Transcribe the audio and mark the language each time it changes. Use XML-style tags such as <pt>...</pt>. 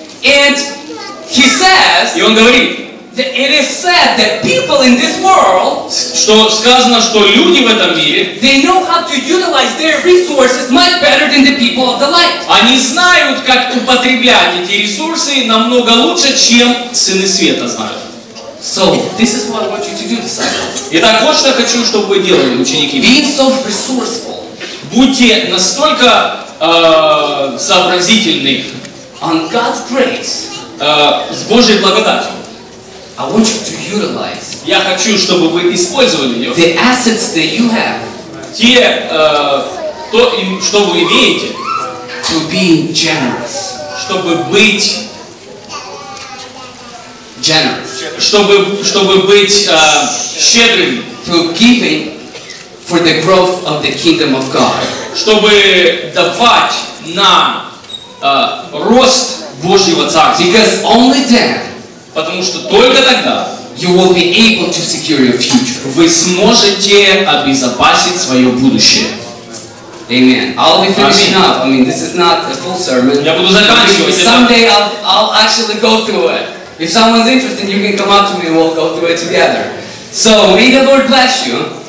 <en>And he says.</en> <ru>И он говорит.</ru> <en>That it is said that people in this world.</en> <ru>Что сказано, что люди в этом мире.</ru> <en>They know how to utilize their resources much better than the people of the light.</en> <ru>Они знают, как употреблять эти ресурсы намного лучше, чем сыны света знают.</ru> <en>So this is what I want you to do, disciples.</en> <ru>Итак, вот что я хочу, чтобы вы делали, ученики.</ru> <en>Be so resourceful.</en> <ru>Будьте настолько сообразительны.</ru> <en>On God's grace.</en> <ru>С Божьей благодатью.</ru> <en>I want you to utilize.</en> <ru>Я хочу, чтобы вы использовали ее.</ru> <en>The assets that you have.</en> <ru>Те, то, что вы имеете.</ru> <en>To being generous.</en> <ru>Чтобы быть.</ru> <en>Generous.</en> <ru>Чтобы быть щедрым.</ru> <en>To giving for the growth of the kingdom of God.</en> <ru>Чтобы давать на рост Божьего Царства.</ru> <en>Because only then.</en> <ru>Потому что только тогда.</ru> <en>You will be able to secure your future.</en> <ru>Вы сможете обезопасить свое будущее.</ru> <en>Amen. I'll be finishing up. I mean, this is not a full sermon.</en> <ru>Я буду заканчивать.</ru> <en>Someday I'll actually go through it. If someone's interested, you can come up to me and we'll go through it together. So, may the Lord bless you.</en>